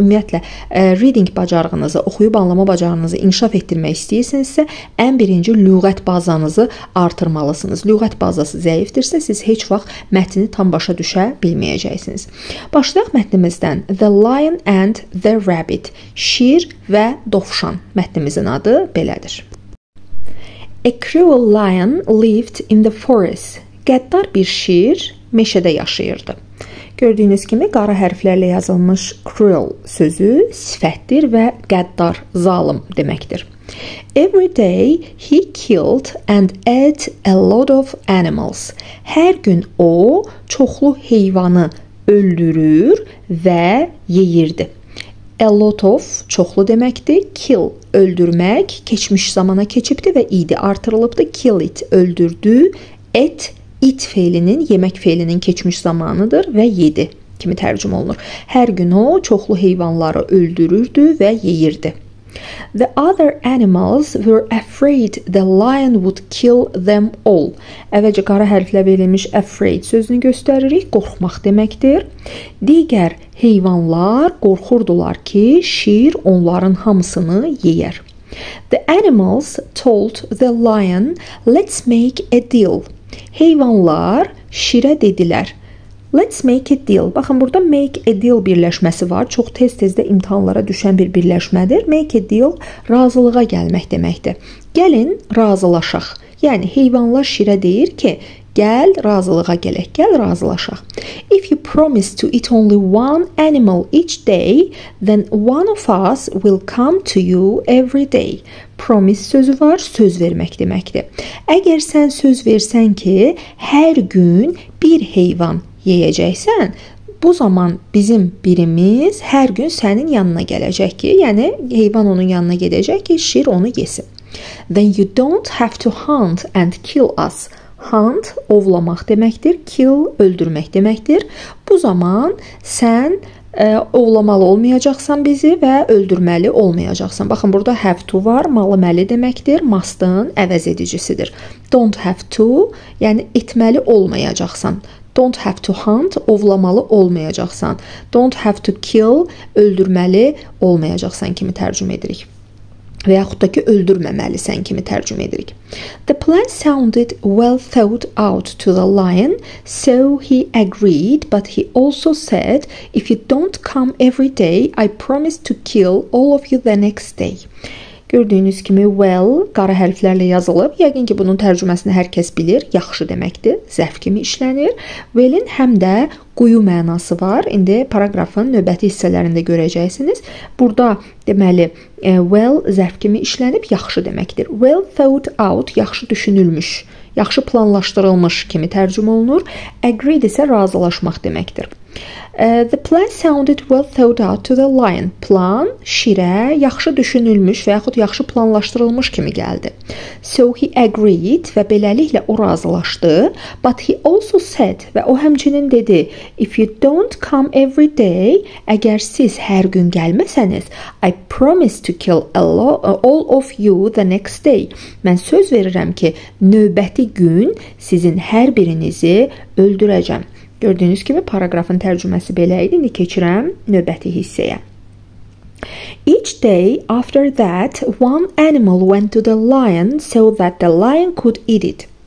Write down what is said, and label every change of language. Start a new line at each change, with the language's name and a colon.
Azerbaijani: Ümumiyyətlə, reading bacarığınızı, oxuyub anlama bacarığınızı inkişaf etdirmək istəyirsinizsə, ən birinci lüğət bazanızı artırmalısınız. Lüğət bazası zəifdirsə, siz heç vaxt mətni tam başa düşə bilməyəcəksiniz. Başlayaq mətnimizdən.
English: The lion and the rabbit.
Azerbaijani: Şir və dovşan. Mətnimizin adı belədir.
English: A cruel lion lived in the forest.
Azerbaijani: Qəddar bir şir meşədə yaşayırdı. Gördüyünüz kimi qara hərflərlə yazılmış cruel sözü sifətdir və qəddar, zalim deməkdir.
English: Every day he killed and ate a lot of animals.
Azerbaijani: Hər gün o çoxlu heyvanı öldürür və yeyirdi. A lot of çoxlu deməkdir. Kill öldürmək keçmiş zamana keçibdi və idi artırılıbdı. Kill it öldürdü. At it feilinin, yemək feilinin keçmiş zamanıdır və yedi kimi tərcümə olunur. Hər gün o çoxlu heyvanları öldürürdü və yeyirdi.
English: The other animals were afraid the lion would kill them all.
Azerbaijani: Əvvəlcə qara hərflə verilmiş afraid sözünü göstəririk. Qorxmaq deməkdir. Digər heyvanlar qorxurdular ki, şir onların hamısını yeyər.
English: The animals told the lion, let's make a deal.
Azerbaijani: Heyvanlar şirə dedilər.
English: Let's make a deal.
Azerbaijani: Baxın, burada make a deal birləşməsi var. Çox tez-tez də imtahanlara düşən bir birləşmədir. Make a deal razılığa gəlmək deməkdir. Gəlin, razılaşaq. Yəni, heyvanlar şirə deyir ki, gəl, razılığa gələk, gəl, razılaşaq.
English: If you promise to eat only one animal each day, then one of us will come to you every day.
Azerbaijani: Promise sözü var, söz vermək deməkdir. Əgər sən söz versən ki, hər gün bir heyvan yeyəcəksən, bu zaman bizim birimiz hər gün sənin yanına gələcək ki, yəni heyvan onun yanına gedəcək ki, şir onu yesin.
English: Then you don't have to hunt and kill us.
Azerbaijani: Hunt, ovlamaq deməkdir. Kill, öldürmək deməkdir. Bu zaman sən ovlamalı olmayacaqsan bizi və öldürməli olmayacaqsan. Baxın, burada have to var, malı məli deməkdir, must-ın əvəz edicisidir. Don't have to, yəni etməli olmayacaqsan.
English: Don't have to hunt,
Azerbaijani: ovlamalı olmayacaqsan.
English: Don't have to kill,
Azerbaijani: öldürməli olmayacaqsan kimi tərcümə edirik. Və yaxud da ki, öldürməməlisən kimi tərcümə edirik.
English: The plan sounded well thought out to the lion, so he agreed, but he also said, if you don't come every day, I promise to kill all of you the next day.
Azerbaijani: Gördüyünüz kimi, well, qara hərflərlə yazılıb. Yəqin ki, bunun tərcüməsini hər kəs bilir. Yaxşı deməkdir, zərf kimi işlənir. Well-in həm də quyu mənası var. İndi paraqrafın növbəti hissələrində görəcəksiniz. Burada, deməli, well, zərf kimi işlənib, yaxşı deməkdir. Well thought out, yaxşı düşünülmüş, yaxşı planlaşdırılmış kimi tərcümə olunur. Agreed isə razılaşmaq deməkdir. The plan sounded well thought out to the lion. Plan, şirə, yaxşı düşünülmüş və yaxud yaxşı planlaşdırılmış kimi gəldi.
English: So he agreed
Azerbaijani: və beləliklə o razılaşdı.
English: But he also said
Azerbaijani: və o həmçinin dedi,
English: if you don't come every day,
Azerbaijani: əgər siz hər gün gəlməsəniz,
English: I promise to kill all of you the next day.
Azerbaijani: Mən söz verirəm ki, növbəti gün sizin hər birinizi öldürəcəm. Gördüyünüz kimi paraqrafın tərcüməsi belə idi. İndi keçirəm növbəti hissəyə.
English: Each day after that, one animal went to the lion so that the lion could eat it.